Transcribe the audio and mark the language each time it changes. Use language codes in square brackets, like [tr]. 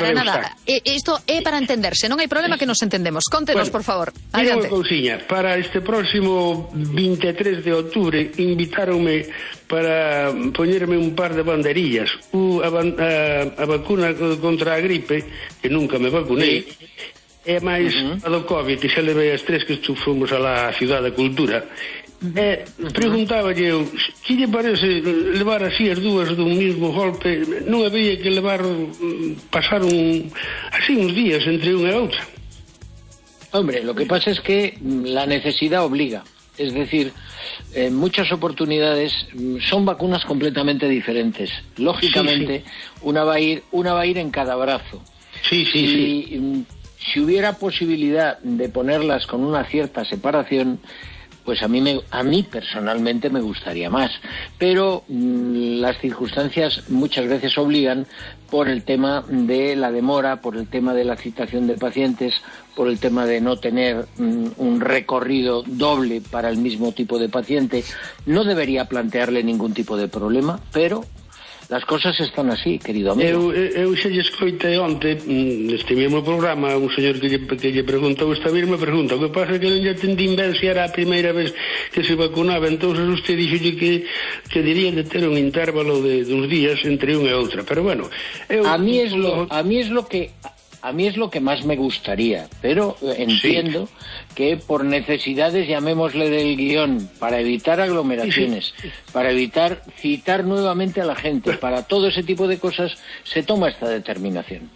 [es] Para nada, esto es para entenderse, no hay problema que nos entendemos. Contenos, bueno, por favor. Adelante. Una cosilla, para este próximo 23 de octubre, invitaronme para ponerme un par de banderillas, [gl] a vacuna contra a gripe, [es] que nunca me vacuné, sí. [gl] E máis a do COVID, que xa levei as tres que fomos a la Ciudad da Cultura. Preguntaba eu, que lle parece levar así as dúas dun mesmo golpe? Non había que levar, pasar un, así uns días entre unha e outra. [es] Hombre, lo que pasa es que la necesidad obliga. Es decir, en muchas oportunidades son vacunas completamente diferentes. Lógicamente, sí. una va a ir en cada brazo. Sí, sí, sí. Si hubiera posibilidad de ponerlas con una cierta separación, pues a mí personalmente me gustaría más. Pero las circunstancias muchas veces obligan por el tema de la demora, por el tema de la citación de pacientes, por el tema de no tener un recorrido doble para el mismo tipo de paciente. No debería plantearle ningún tipo de problema, pero las cosas están así, querido amigo. [gl] Eu xa lle escoitei onte, neste mesmo programa, un señor que lle preguntou esta mesma pregunta. O que pasa é que non lle atendín ben se era a primeira vez que se vacunaba. Entón, usted dixolle que diría de ter un intervalo de uns días entre unha e outra. [es] Pero bueno, A mí es lo que más me gustaría, pero entiendo que por necesidades, llamémosle del guión, para evitar aglomeraciones, para evitar citar nuevamente a la gente, para todo ese tipo de cosas, se toma esta determinación.